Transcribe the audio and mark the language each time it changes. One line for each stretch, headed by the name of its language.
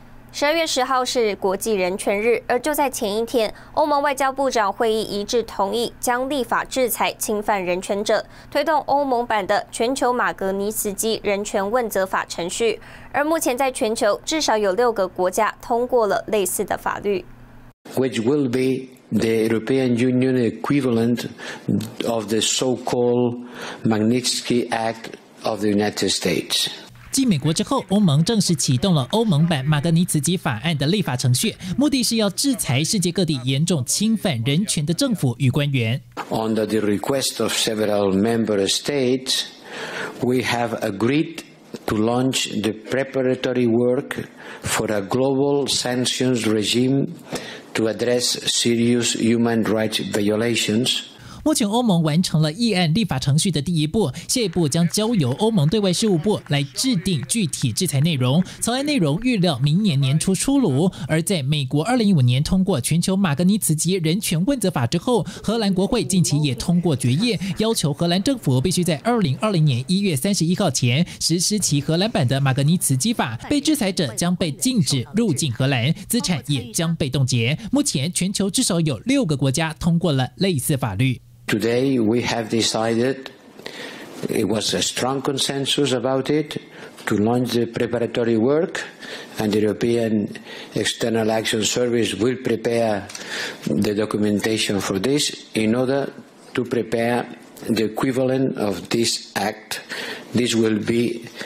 Chinese: 12月10号是国际人权日，而就在前一天，欧盟外交部长会议一致同意将立法制裁侵犯人权者，推动欧盟版的全球马格尼茨基人权问责法程序。而目前在全球，至少有6个国家通过了类似的法律。
English: Which will be the European Union equivalent of the so-called Magnitsky Act of the United States?
Chinese: 继美国之后，欧盟正式启动了欧盟版马格尼茨基法案的立法程序，目的是要制裁世界各地严重侵犯人权的政府与官员。
English: Under the request of several member states, we have agreed to launch the preparatory work for a global sanctions regime to address serious human rights violations.
Chinese: 目前欧盟完成了议案立法程序的第一步，下一步将交由欧盟对外事务部来制定具体制裁内容。草案内容预料明年年初出炉，而在美国2015年通过全球马格尼茨基人权问责法之后，荷兰国会近期也通过决议，要求荷兰政府必须在2020年1月31号前实施其荷兰版的马格尼茨基法，被制裁者将被禁止入境荷兰，资产也将被冻结。目前全球至少有6个国家通过了类似法律。
English: Today we have decided, it was a strong consensus about it, to launch the preparatory work, and the European External Action Service will prepare the documentation for this in order to prepare the equivalent of this act. This will be